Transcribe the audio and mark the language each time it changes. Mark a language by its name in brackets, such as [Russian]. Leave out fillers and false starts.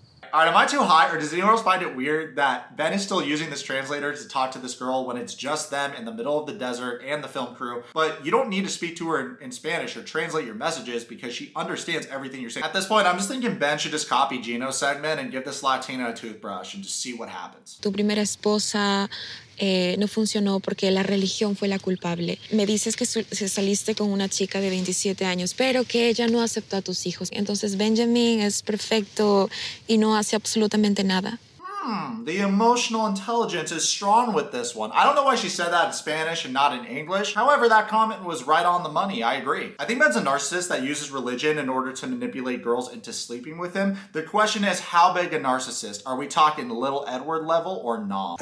[English] All right, am I too high, or does anyone else find it weird that Ben is still using this translator to talk to this girl when it's just them in the middle of the desert and the film crew, but you don't need to speak to her in Spanish or translate your messages because she understands everything you're saying. At this point, I'm just thinking Ben should just copy Gino's segment and give this Latina a toothbrush and just see what happens. [Spanish] Tu primera esposa no funcionó porque la religión fue la culpable. Me dices que saliste con una chica de 27 años, pero que ella no aceptó a tus hijos. Entonces Benjamin es perfecto y no hace absolutamente nada. [English] The emotional intelligence is strong with this one. I don't know why she said that in Spanish and not in English. However, that comment was right on the money. I agree. I think Ben's a narcissist that uses religion in order to manipulate girls into sleeping with him. The question is, how big a narcissist? Are we talking Little Edward level or not?